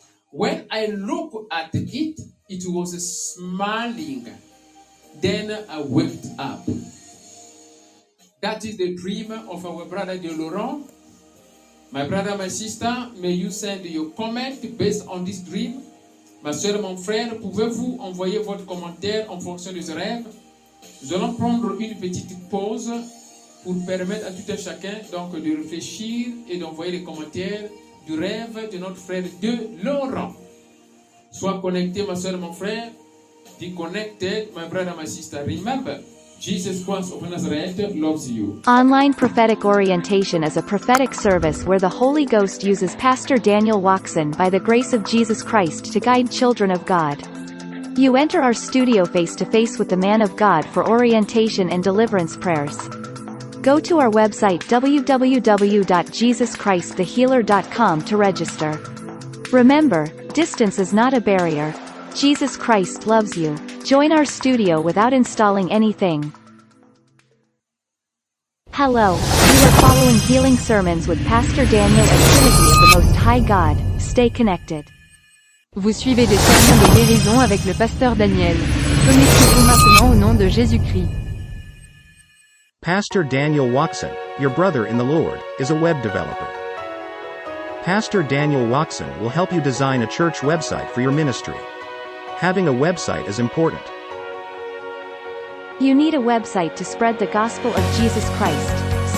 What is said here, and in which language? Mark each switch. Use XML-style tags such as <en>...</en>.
<en>When I look at it, it was smiling. Then I wept up. That is the dream of our brother de Laurent. My brother, my sister, may you send your comment based on this dream.</en> <fr>Ma soeur, mon frère, pouvez-vous envoyer votre commentaire en fonction de ce rêve? Nous allons prendre une petite pause pour permettre à tout un chacun donc de réfléchir et d'envoyer les commentaires du rêve de notre frère de Laurent. Sois connecté, ma soeur, mon frère.</fr> <en>Be connected, my brother, my sister. Remember, Jesus Christ of Nazareth loves you. Online prophetic orientation is a prophetic service where the Holy Ghost uses Pastor Daniel Waxon by the grace of Jesus Christ to guide children of God. You enter our studio face to face with the man of God for orientation and deliverance prayers. Go to our website www.jesuschristthehealer.com to register. Remember, distance is not a barrier. Jesus Christ loves you. Join our studio without installing anything. Hello, you are following Healing Sermons with Pastor Daniel of Trinity of the Most High God. Stay connected.</en> <fr>Vous suivez des sermons de guérison avec le Pasteur Daniel. Connectez-vous maintenant au nom de Jésus-Christ.</fr> <en>Pastor Daniel Waxon, your brother in the Lord, is a web developer. Pastor Daniel Waxon will help you design a church website for your ministry. Having a website is important. You need a website to spread the gospel of Jesus Christ.</en>